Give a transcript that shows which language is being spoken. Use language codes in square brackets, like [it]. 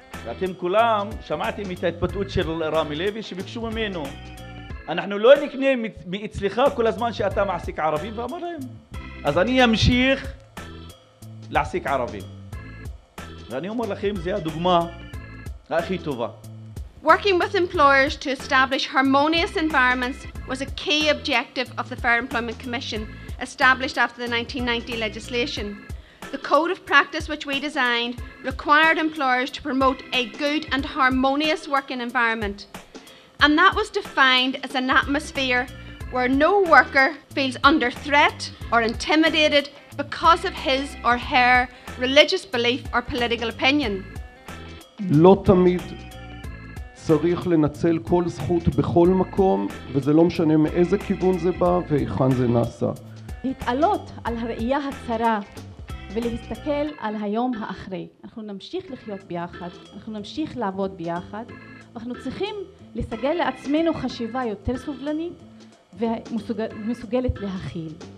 [he] אתם כולם שמעתם את ההתבטאות של רמי לוי שביקשו ממנו, אנחנו לא נקנה מאצלך כל הזמן שאתה מעסיק ערבים, ואמר להם, אז אני אמשיך להעסיק ערבים. ואני אומר לכם, זה הדוגמה הכי טובה. [en] Working with employers to establish harmonious environments was a key objective of the Fair Employment Commission established after the 1990 legislation. The code of practice which we designed required employers to promote a good and harmonious working environment. And that was defined as an atmosphere where no worker feels under threat or intimidated because of his or her religious belief or political opinion. [he] לא תמיד צריך לנצל כל זכות בכל מקום, וזה לא משנה מאיזה כיוון זה בא והיכן זה נעשה. להתעלות על הראייה הצרה ולהסתכל על היום האחרי. אנחנו נמשיך לחיות ביחד, אנחנו נמשיך לעבוד ביחד, ואנחנו צריכים לסגל לעצמנו חשיבה יותר סובלנית ומסוגלת להכיל.